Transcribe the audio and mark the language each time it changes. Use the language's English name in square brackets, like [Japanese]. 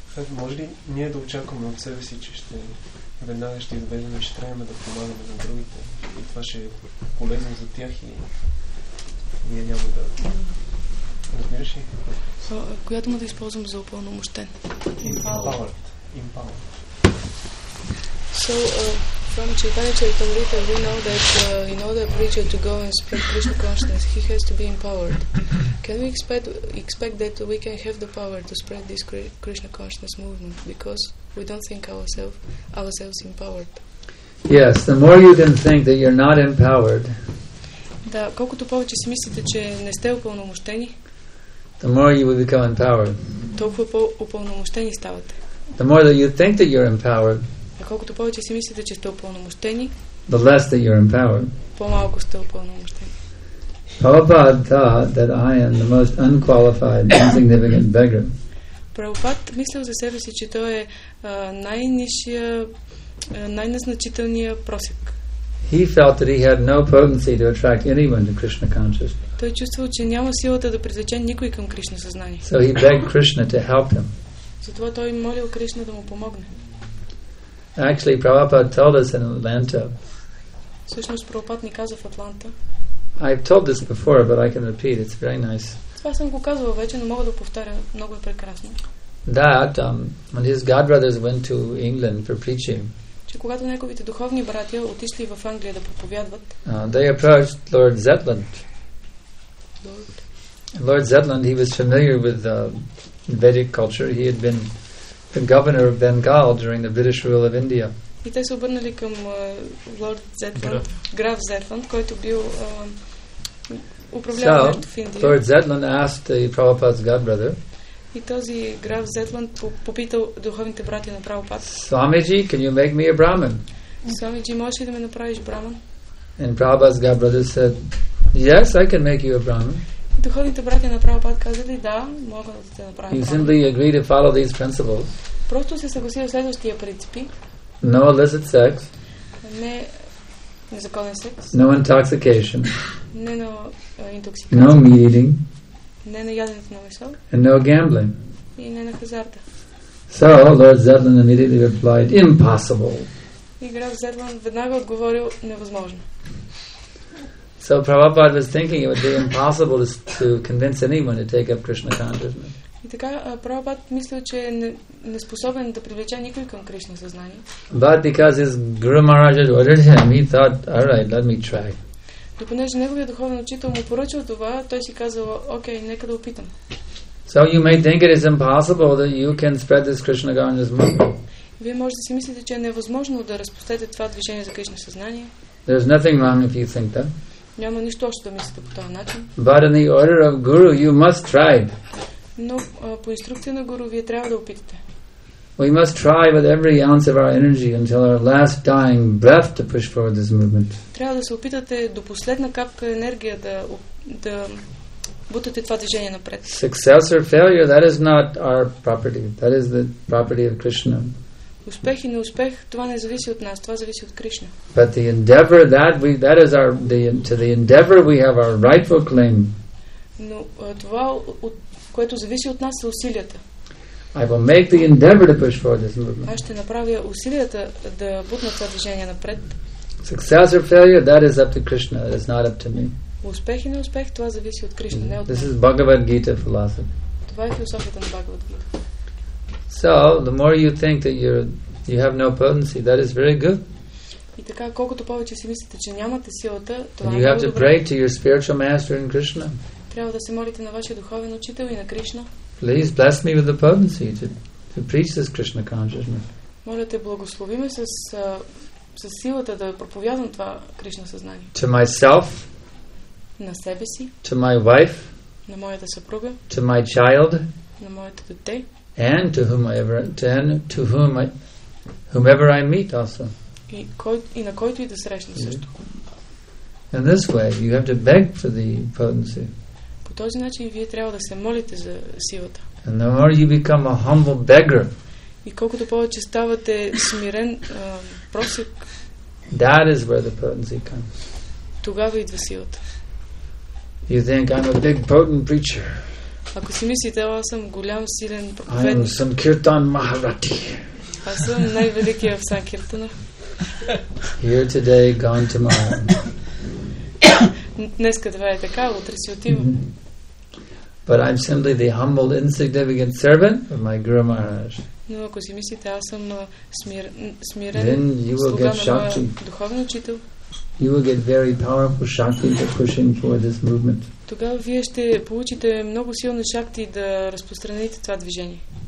[Bulgarian] Може ли ние да очакваме от себе си, че ще веднага ще изведем и ще трябваме да помагаме на другите? И това ще е полезно за тях и ние няма да... Разбираш ли? Която му да използвам за упълномощен. [English] Empowered. So, from Chaitanya Charitamrita, we know that in order for a preacher to go and speak Krishna consciousness, he has to be empowered. Can we expect that we can have the power to spread this Krishna consciousness movement? Because we don't think ourselves empowered. Yes, the more you can think that you're not empowered, [Bulgarian] да, колкото повече си мислите, че не сте упълномощени, [English] the more you will become empowered. [Bulgarian] Толкова по-упълномощени ставате. [English] The more that you think that you're empowered, [Bulgarian] а колкото повече си мислите, че сте упълномощени, [English] the less that you're empowered. [Bulgarian] По-малко сте упълномощени. [English] Prabhupada thought that I am the most unqualified, insignificant beggar. [Bulgarian] Prabhupada мислил за себе си, че той е най-нишия, най-незначителният просек. [English] He felt that he had no potency to attract anyone to Krishna consciousness. [Bulgarian] Той чувствал, че няма силата да привлече никой към Кришна съзнание. [English] So he begged Krishna to help him. [Bulgarian] Затова той молил Кришна да му помогне. [English] Actually, Prabhupada told us in Atlanta. [Bulgarian] Всъщност Прабхупад ни каза в Атланта. [English] I've told this before, but I can repeat. It's very nice. [Bulgarian] Това съм го казвал вече, но мога да повторя. Много е прекрасно. [English] That when his godbrothers went to England for preaching. [Bulgarian] Че когато неговите духовни братя отишли в Англия да проповядват. [English] They approached Lord Zetland. Lord Zetland, he was familiar with Vedic culture. He had been the governor of Bengal during the British rule of India. [Bulgarian] И те се обърнали към Lord Zetland, граф Zetland, който бил управлявал в Индия. [English] Lord Zetland asked the Prabhupada's godbrother. [Bulgarian] И този граф Zetland попитал духовните братя на Прабхупад. [English] Swamiji, can you make me a Brahmin? [Bulgarian] Swamiji, можеш ли да ме направиш Brahmin? [English] And Prabhupada's godbrother said, yes, I can make you a Brahmin. [Bulgarian] Духовните братя на Прабхупад казали, да, мога да те направя. [English] You simply agree to follow these principles. [Bulgarian] Просто се съгласи на следващия принципи. [English] No illicit sex. [Bulgarian] Не незаконен секс. [English] No intoxication. [Bulgarian] Не на интоксикация. [English] No meat eating. [Bulgarian] Не на яденето на месо. [English] And no gambling. [Bulgarian] И не на хазарта. [English] So Lord Zetland immediately replied, impossible. [Bulgarian] И граф Zetland веднага отговорил, невъзможно. [English] So Prabhupada was thinking it would be impossible to convince anyone to take up Krishna consciousness. [Bulgarian] И така Prabhupada мислил, че е неспособен да привлече никой към Кришна съзнание. [English] But because his Guru Maharaj had ordered him, he thought, all right, let me try. [Bulgarian] Но понеже неговият духовен учител му поръчал това, той си казал, окей, нека да опитам. [English] So you may think it is impossible that you can spread this Krishna consciousness movement. [Bulgarian] Вие може да си мислите, че е невъзможно да разпростете това движение за Кришна съзнание. [English] There's nothing wrong if you think that. [Bulgarian] Няма нищо още да мислите по този начин. [English] But in the order of Guru, you must try. [Bulgarian] Но по инструкция на Гуру, вие трябва да опитате. [English] We must try with every ounce of our energy until our last dying breath to push forward this movement. [Bulgarian] Трябва да се опитате до последна капка енергия да бутате това движение напред. [English] Success or failure, that is not our property. That is the property of Krishna. [Bulgarian] Успех и неуспех, това не зависи от нас, това зависи от Кришна. [English] But the endeavor to the endeavor we have our rightful claim. [Bulgarian] Но това, което зависи от нас, са усилията. [English] I will make the endeavor to push forward this movement. [Bulgarian] Аз ще направя усилията да бутна това движение напред. [English] Success or failure, that is up to Krishna, it is not up to me. [Bulgarian] Успех и неуспех, това зависи от Кришна, не от [English] This is Bhagavad Gita philosophy. [Bulgarian] Това е философията на Бхагавад Гита. [English] So, the more you think that you have no potency, that is very good. [Bulgarian] И така, колкото повече си мислите, че нямате силата, това не е добре. [English] Pray to your spiritual master in Krishna. [Bulgarian] Трябва да се молите на вашия духовен учител и на Кришна. [English] Please bless me with the potency to preach this Krishna consciousness. [Bulgarian] Моля те, благослови ме с силата да проповядвам това Кришна съзнание. [English] To myself. [Bulgarian] На себе си. [English] To my wife. [Bulgarian] На моята съпруга. [English] To my child. [Bulgarian] На моето дете. [English] And to whomever, whomever I meet also. [Bulgarian] И на който и да срещна също. [English] In this way, you have to beg for the potency. [Bulgarian] По този начин вие трябва да се молите за силата. [English] And the more you become a humble beggar. [Bulgarian] И колкото повече ставате смирен просек. [English] That is where the potency comes. [Bulgarian] Тогава идва силата. [English] You think I'm a big potent preacher. [Bulgarian] Ако си мислите, аз съм голям силен проповедник. [English] I am Sankirtan Maharati. [Bulgarian] Аз съм най-великият в Санкиртана. [English] Here today, gone tomorrow. [Bulgarian] Днеска това е така, утре си отивам. [English] But I'm simply the humble, insignificant servant of my Guru Maharaj. [Bulgarian] Но ако си мислите, аз съм смирен слуга на моя духовен учител. [English] You will get very powerful shakti to push in for this movement. [Bulgarian] Тогава вие ще получите много силна шакти да разпространите това движение.